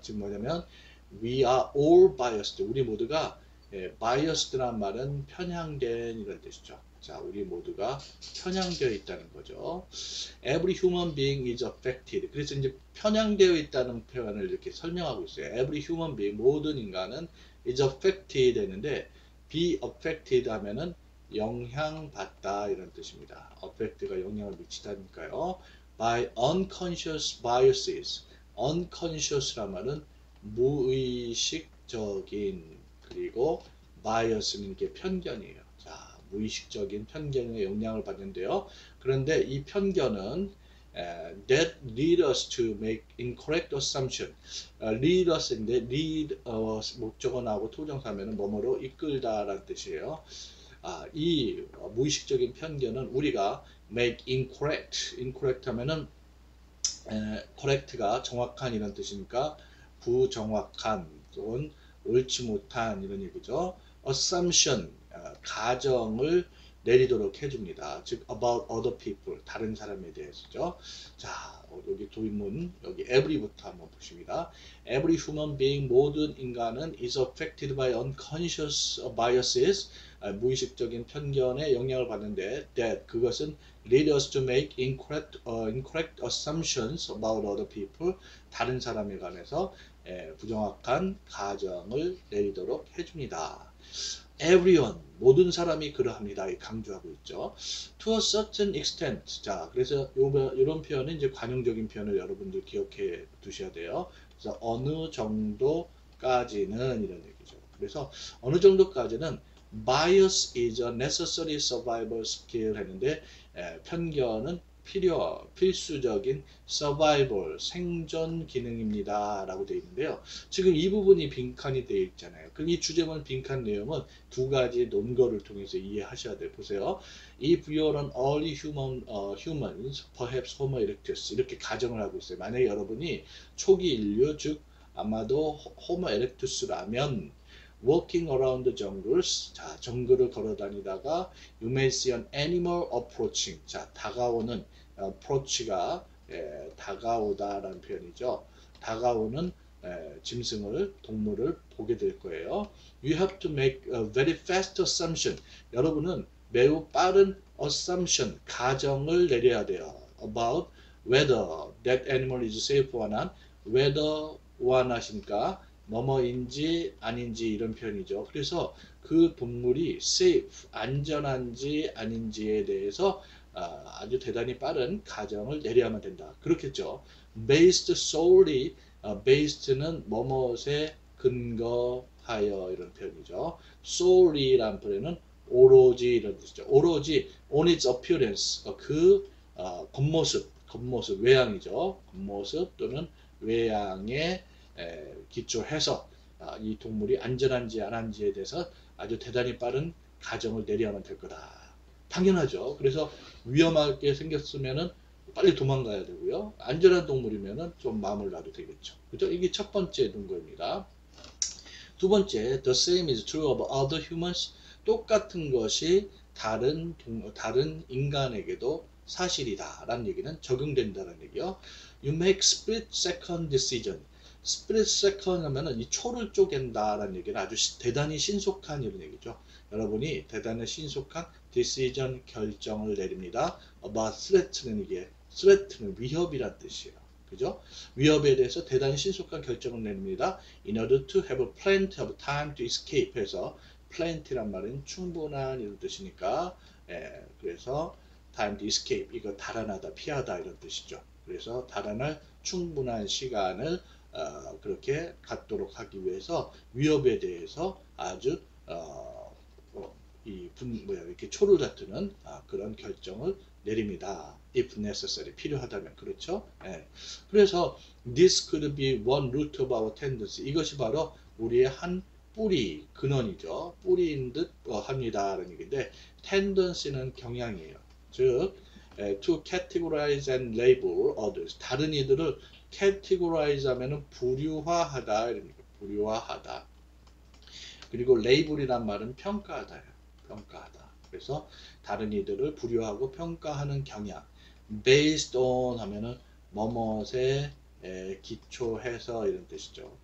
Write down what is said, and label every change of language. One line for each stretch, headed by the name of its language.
Korean: 지금 뭐냐면,
English: we are all biased.
Korean: 우리 모두가 biased란 말은 편향된 이런 뜻이죠. 자, 우리 모두가 편향되어 있다는 거죠.
English: Every human being is affected.
Korean: 그래서 이제 편향되어 있다는 표현을 이렇게 설명하고 있어요.
English: Every human being,
Korean: 모든 인간은
English: is affected
Korean: 되는데, be affected 하면은 영향받다 이런 뜻입니다. affect가 영향을 미치다니까요.
English: By unconscious biases.
Korean: unconscious라는 말은 무의식적인, 그리고 bias는 이게 편견이에요. 무의식적인 편견의 영향을 받는데요. 그런데 이 편견은
English: that lead us to make incorrect assumption.
Korean: lead us인데 lead 목적어하고 토정사면은 뭐뭐로 이끌다라는 뜻이에요. 이 무의식적인 편견은 우리가 make incorrect 하면은 correct가 정확한 이런 뜻이니까 부정확한 또는 옳지 못한 이런 얘기죠. assumption 가정을 내리도록 해줍니다. 즉,
English: about other people,
Korean: 다른 사람에 대해서죠. 자, 여기 도입문, 여기 every부터 한번 보십니다.
English: Every human being,
Korean: 모든 인간은
English: is affected by unconscious biases,
Korean: 무의식적인 편견에 영향을 받는데,
English: that,
Korean: 그것은
English: lead us to make incorrect assumptions about other people,
Korean: 다른 사람에 관해서 부정확한 가정을 내리도록 해줍니다. Everyone, 모든 사람이 그러합니다. 강조하고 있죠.
English: To a certain extent.
Korean: 자, 그래서 이런 표현은 이제 관용적인 표현을 여러분들 기억해 두셔야 돼요. 그래서 어느 정도까지는 이런 얘기죠. 그래서 어느 정도까지는
English: bias is a necessary survival skill
Korean: 했는데 편견은 필수적인 서바이벌, 생존 기능입니다. 라고 되어 있는데요. 지금 이 부분이 빈칸이 되어 있잖아요. 그럼 이 주제문 빈칸 내용은 두 가지 논거를 통해서 이해하셔야 돼요. 보세요.
English: If we are an early humans, perhaps Homo erectus.
Korean: 이렇게 가정을 하고 있어요. 만약에 여러분이 초기 인류, 즉, 아마도 Homo erectus라면,
English: Walking around the jungles.
Korean: 자, 정글을 걸어 다니다가,
English: You may see an animal approaching.
Korean: 자, 다가오는, approach가, 다가오다라는 표현이죠. 다가오는, 짐승을, 동물을 보게 될 거예요.
English: You have to make a very fast assumption.
Korean: 여러분은 매우 빠른 assumption, 가정을 내려야 돼요.
English: About whether that animal is safe or not.
Korean: whether or not이니까, 뭐뭐인지 아닌지 이런 표현이죠. 그래서 그 동물이 safe, 안전한지 아닌지에 대해서 아주 대단히 빠른 가정을 내려야만 된다. 그렇겠죠.
English: Based solely,
Korean: based는 뭐뭐에 근거하여 이런 표현이죠. Solely란 표현은 오로지 이런 뜻이죠. 오로지
English: on its appearance,
Korean: 그 겉모습, 겉모습, 외양이죠. 겉모습 또는 외양의 기초해서 이 동물이 안전한지 안한지에 대해서 아주 대단히 빠른 가정을 내려야만 될 거다. 당연하죠. 그래서 위험하게 생겼으면은 빨리 도망가야 되고요. 안전한 동물이면은 좀 마음을 놔도 되겠죠. 그죠? 이게 첫 번째 논거입니다. 두 번째,
English: the same is true of other humans.
Korean: 똑같은 것이 다른 인간에게도 사실이다라는 얘기는 적용된다는 얘기요.
English: You make split second decision.
Korean: 스플릿 세컨드 하면은 이 초를 쪼갠다라는 얘기는 아주 대단히 신속한 이런 얘기죠. 여러분이 대단히 신속한 디시전 결정을 내립니다.
English: About threat
Korean: 는 이게 threat는 위협이란 뜻이에요. 그죠? 위협에 대해서 대단히 신속한 결정을 내립니다.
English: In order to have plenty of time to escape
Korean: 해서 plenty란 말은 충분한 이런 뜻이니까 예, 그래서 time to escape 이거 달아나다 피하다 이런 뜻이죠. 그래서 달아날 충분한 시간을 그렇게 갖도록 하기 위해서 위협에 대해서 아주 이 분, 뭐야, 이렇게 초를 다투는 그런 결정을 내립니다.
English: If necessary,
Korean: 필요하다면. 그렇죠? 예. 그래서,
English: this could be one root of our tendency.
Korean: 이것이 바로 우리의 한 뿌리, 근원이죠. 뿌리인 듯 합니다. 라는 얘기인데, tendency는 경향이에요.
English: 즉, to categorize and label others.
Korean: 다른 이들을 categorize 하면 분류화하다. 이렇게 분류화하다. 그리고 label이란 말은 평가하다. 평가하다. 그래서 다른 이들을 부류하고 평가하는 경향.
English: Based on
Korean: 하면은 뭐뭇에 기초해서 이런 뜻이죠.